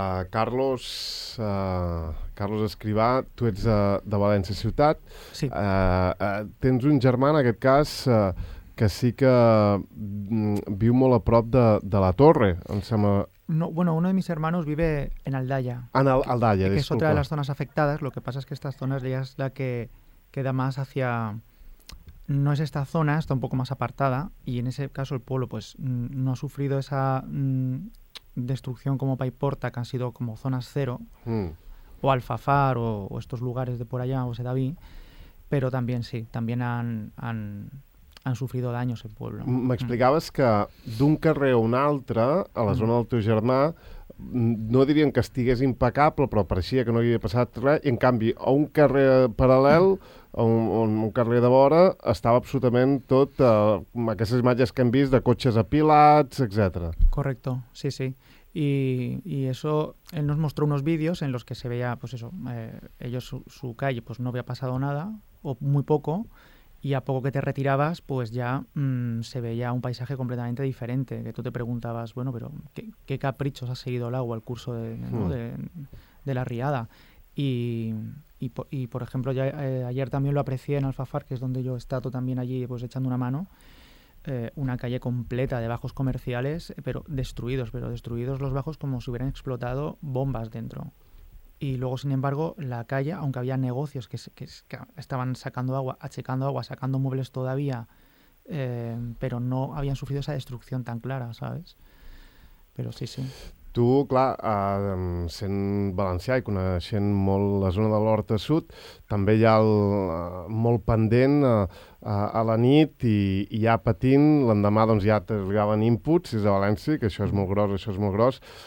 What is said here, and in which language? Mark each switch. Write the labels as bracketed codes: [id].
[ca] Carlos Escrivà, tu ets de València Ciutat. Sí. Tens un germà, en aquest cas, que sí que viu molt a prop de la Torre, em sembla. [es] No, bueno, uno de mis hermanos vive en Aldaya. En Aldaya, disculpa. Que es otra de las zonas afectadas. Lo que pasa es que esta zona es la que queda más hacia... No es esta zona, está un poco más apartada. Y en ese caso el pueblo pues no ha sufrido esa... destrucción como Paiporta, que han sido como zonas cero, o Alfafar, o estos lugares de por allá, o Sedaví, pero también sí, también han sufrido daños el pueblo. [ca] M'explicaves que d'un carrer a un altre, a la zona del teu germà, no diríem que estigués impecable, però pareixia que no havia passat res, i en canvi, a un carrer paral·lel, un carrer de vora, estava absolutament tot, aquestes imatges que hem vist de cotxes apilats, etc. [es] Correcto, sí, sí. Y eso, él nos mostró unos vídeos en los que se veía, pues eso, ellos, su calle, pues no había pasado nada, o muy poco, y a poco que te retirabas, pues ya se veía un paisaje completamente diferente, que tú te preguntabas, bueno, pero ¿qué caprichos ha seguido el agua al curso de la riada? Y por ejemplo, ya ayer también lo aprecié en Alfafar, que es donde yo he estado también allí pues echando una mano, una calle completa de bajos comerciales, pero destruidos los bajos como si hubieran explotado bombas dentro. Y luego, sin embargo, la calle, aunque había negocios que estaban sacando agua, achicando agua, sacando muebles todavía, pero no habían sufrido esa destrucción tan clara, ¿sabes? Pero sí, sí. [ca] Tu, clar, sent valencià i coneixent molt la zona de l'Horta Sud, també hi ha molt pendent a la nit i ja patint, l'endemà doncs ja t'arribaven inputs des de València, que això és molt gros, això és molt gros.